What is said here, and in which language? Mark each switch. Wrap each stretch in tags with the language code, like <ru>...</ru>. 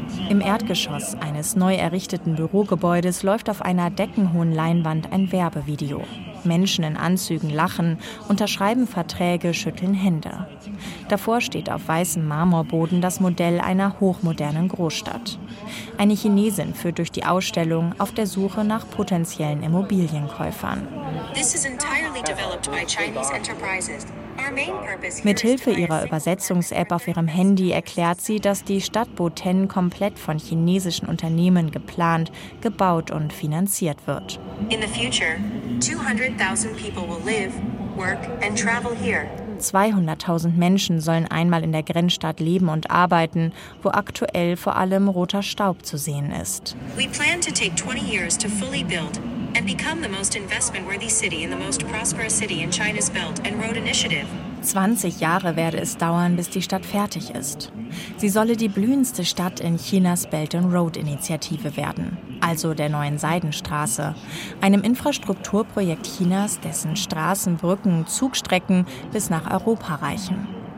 <de>Im Erdgeschoss eines neu errichteten Bürogebäudes läuft auf einer deckenhohen Leinwand ein Werbevideo. Menschen in Anzügen lachen, unterschreiben Verträge, schütteln Hände. Davor steht auf weißem Marmorboden das Modell einer hochmodernen Großstadt. Eine Chinesin führt durch die Ausstellung auf der Suche nach potenziellen Immobilienkäufern.</de> <en>This is entirely developed by Chinese enterprises.</en> <de>Mithilfe ihrer Übersetzungs-App auf ihrem Handy erklärt sie, dass die Stadt Boten komplett von chinesischen Unternehmen geplant, gebaut und finanziert wird.</de> <en>In the future, 200.000 people will live, work and travel here.</en> <de>200.000 Menschen sollen einmal in der Grenzstadt leben und arbeiten, wo aktuell vor allem roter Staub zu sehen ist.</de> <en>We plan to take 20 years to fully build. And become the most investment-worthy city in the most prosperous city in China's Belt and Road Initiative.</en> <de>20 Jahre werde es dauern, bis die Stadt fertig ist. Sie solle die blühendste Stadt in Chinas Belt and Road Initiative werden, also der neuen Seidenstraße, einem Infrastrukturprojekt Chinas, dessen Straßen, Brücken, Zugstrecken bis nach Europa reichen.</de>